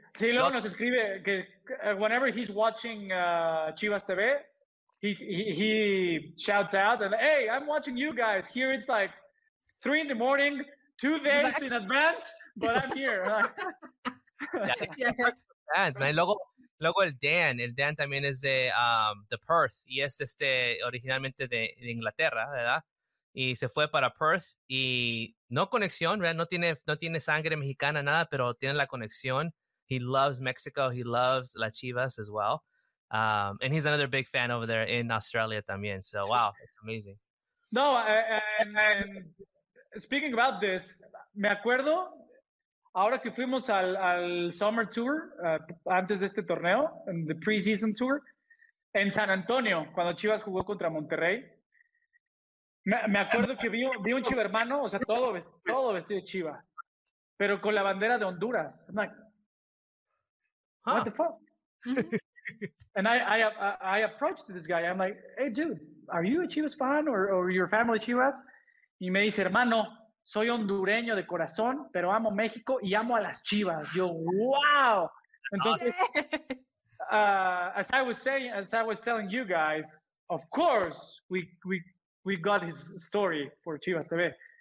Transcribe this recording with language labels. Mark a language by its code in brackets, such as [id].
[es] Sí, luego nos escribe que [en] whenever he's watching Chivas TV, he shouts out and, hey, I'm watching you guys. Here it's like 3 a.m, 2 days in advance, but I'm here. Yeah. Man, luego. [es] Luego el Dan también es de Perth y es originalmente de Inglaterra, ¿verdad? Y se fue para Perth y no conexión, ¿verdad? No tiene sangre mexicana, nada, pero tiene la conexión. [en] He loves Mexico, he loves las Chivas as well. And he's another big fan over there in Australia también. So, wow, it's amazing. No, and speaking about this, [es] me acuerdo... Ahora que fuimos al summer tour, antes de este torneo, en [en] the pre-season tour, [es] en San Antonio, cuando Chivas jugó contra Monterrey, me acuerdo que vi un chivermano, o sea, todo vestido de Chiva, pero con la bandera de Honduras. [en] I'm like, what the fuck? And I approached this guy. I'm like, hey, dude, are you a Chivas fan or your family Chivas? [es] Y me dice, hermano, soy hondureño de corazón, pero amo México y amo a las Chivas. Yo, wow. Entonces, [en] as I was telling you guys, of course we got his story for Chivas TV.